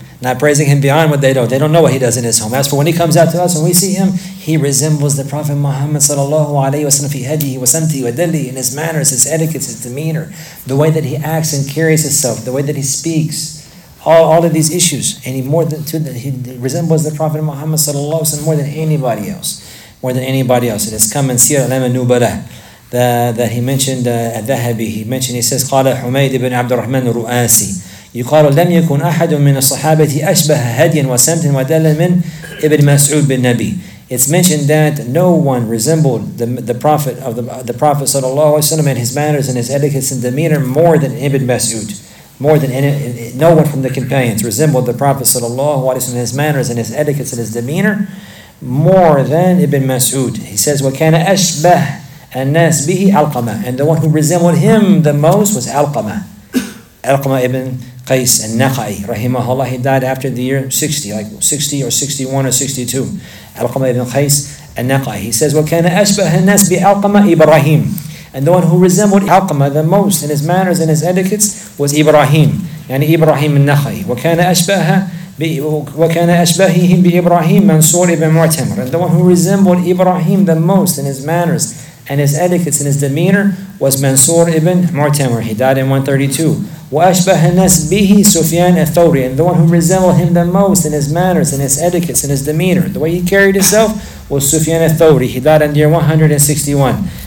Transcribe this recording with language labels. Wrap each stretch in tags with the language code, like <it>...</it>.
<en>Not praising him beyond what they know. They don't know what he does in his home. As for when he comes out to us and we see him, he resembles the Prophet Muhammad sallallahu alayhi wa sallam</en> <ar>fi hadihi wa samti wa dalli,</ar> <en>in his manners, his etiquettes, his demeanor, the way that he acts and carries himself, the way that he speaks, all of these issues. And he more than he resembles the Prophet Muhammad sallallahu alayhi wa sallam more than anybody else. More than anybody else. It has come in Sir Alam al-Nubala that he mentioned al-Dhahabi. He mentioned, he says, Qala Humayd ibn Abdurrahman al-Ru'asi.</en> <ar>يقال لم يكن أحد من الصحابة أشبه هديا وسمتا ودلا من ابن مسعود بن نبي.</ar> <en>It's mentioned that no one resembled the Prophet sallallahu alaihi wasallam in his manners and his etiquettes and demeanor more than Ibn Mas'ud. More than any, no one from the companions resembled the Prophet sallallahu alaihi wasallam in his manners and his etiquettes and his demeanor more than Ibn Mas'ud. He says,</en> <ar>وكان أشبه الناس به علقمة.</ar> <en>And the one who resembled him the most was علقمة. Alqama ibn Qais al-Naqai, rahimahullah, he died after the year 60, like 60 or 61 or 62. Alqama ibn Qais al-Naqai, he says,</en> <ar>وَكَانَ أَشْبَهَ النَّاسِ بِأَلْقَمَ إِبْرَاهِيمِ.</ar> <en>And the one who resembled Alqama the most in his manners and his etiquettes was Ibrahim, yani Ibrahim al-Naqai.</en> <ar>وَكَانَ أَشْبَهِهِمْ بِإِبْرَاهِيمِ مَنْصُور ibn Mu'tamir.</ar> <en>And the one who resembled Ibrahim the most in his manners and his etiquettes and his demeanor was Mansur ibn Mu'tamir. He died in 132.</en> <ar>وَأَشْبَهَ النَّاسِ بِهِ سُفْيَانَ الثَّوْرِيَ.</ar> <en>And the one who resembled him the most in his manners and his etiquettes and his demeanor, the way he carried himself, was Sufyan al-Thawri. He died in the year 161.</en>